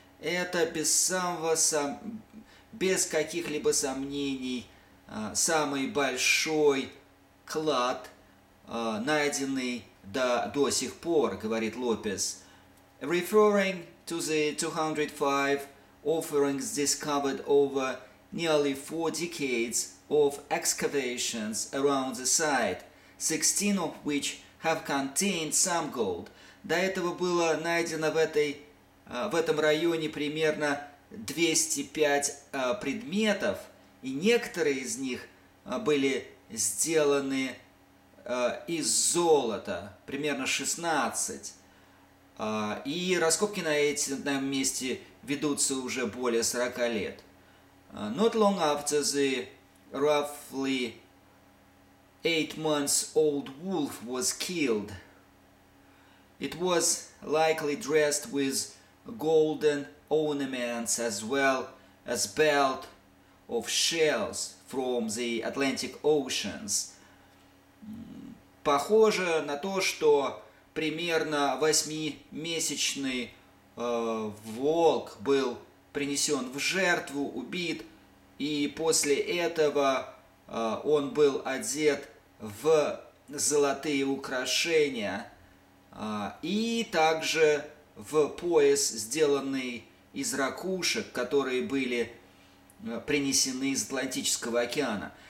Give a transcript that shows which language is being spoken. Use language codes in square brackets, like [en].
[ru] Это без каких-либо сомнений самый большой клад, найденный до сих пор, говорит Лопес. [en] Referring to the 205 offerings discovered over nearly four decades of excavations around the site, 16 of which have contained some gold. [ru] До этого было найдено в этом районе примерно 205 предметов, и некоторые из них были сделаны из золота, примерно 16. И раскопки на этом месте ведутся уже более 40 лет. [en] Not long after the roughly 8 months old wolf was killed, it was likely dressed with golden ornaments as well as belt of shells from the Atlantic Oceans. [ru] Похоже на то, что примерно 8-месячный волк был принесен в жертву, убит, и после этого он был одет в золотые украшения и также в пояс, сделанный из ракушек, которые были принесены из Атлантического океана.